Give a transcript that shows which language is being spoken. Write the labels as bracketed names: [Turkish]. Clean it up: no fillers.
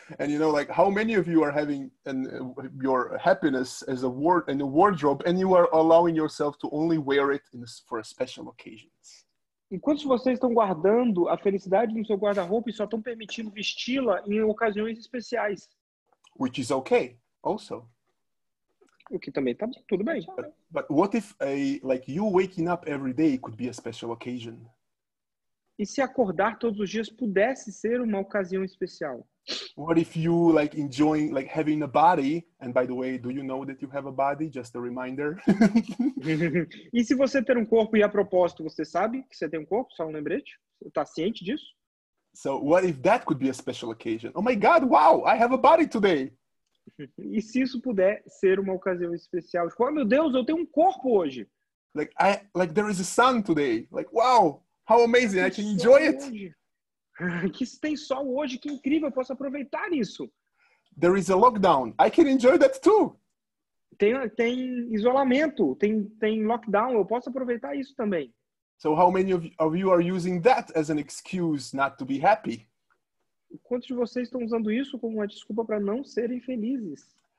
[English] And, you know, like, how many of you are having your happiness as a in a wardrobe and you are allowing yourself to only wear it for special occasions? [Portuguese] E quantos de vocês estão guardando a felicidade no seu guarda-roupa e só estão permitindo vesti-la em ocasiões especiais? [English] Which is okay, also. [Portuguese] O que também tá tudo bem. [English] But what if, you waking up every day could be a special occasion? [Portuguese] E se acordar todos os dias pudesse ser uma ocasião especial? [English] What if you, like, enjoying, like, having a body? And, by the way, do you know that you have a body? Just a reminder. [Portuguese] E se você ter um corpo, e a propósito, você sabe que você tem um corpo? Só um lembrete? Tá ciente disso? [English] So, what if that could be a special occasion? Oh, my God, wow, I have a body today. [Portuguese] E se isso puder ser uma ocasião especial? Tipo, oh, meu Deus, eu tenho um corpo hoje. [English] Like, there is a sun today. Like, wow. How amazing, I can enjoy it. [Portuguese] Que tem sol hoje, que incrível, eu posso aproveitar isso. [English] There is a lockdown, I can enjoy that too. [Portuguese] Tem isolamento, tem lockdown, eu posso aproveitar isso também. [English] So how many of you are using that as an excuse not to be happy? [Portuguese] Quantos de vocês estão usando isso como uma desculpa para não serem felizes?